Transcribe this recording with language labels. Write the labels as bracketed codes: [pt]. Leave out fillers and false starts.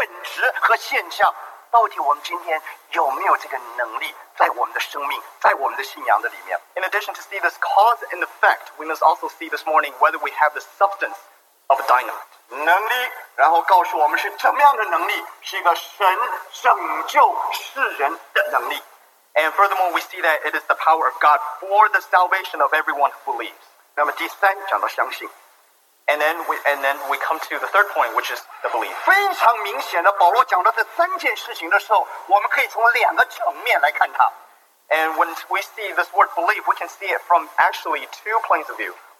[zh] 弟兄姊妹，我们不只是要看这个因果的关系，我们也要看今天我们信仰的本质和现象。到底我们今天有没有这个能力，在我们的生命，在我们的信仰的里面？ [en] In addition to see this cause and effect, we must also see this morning whether we have the substance of a dynamite. [zh] 能力，然后告诉我们是怎么样的能力，是一个神拯救世人的能力。 [en] And furthermore, we see that it is the power of God for the salvation of everyone who believes. [zh] 那么第三，讲到相信。 [en] And then we come to the third point, which is the belief. [zh] 非常明显的，保罗讲到这三件事情的时候，我们可以从两个层面来看它。 [en] And when we see this word belief, we can see it from actually two points of view.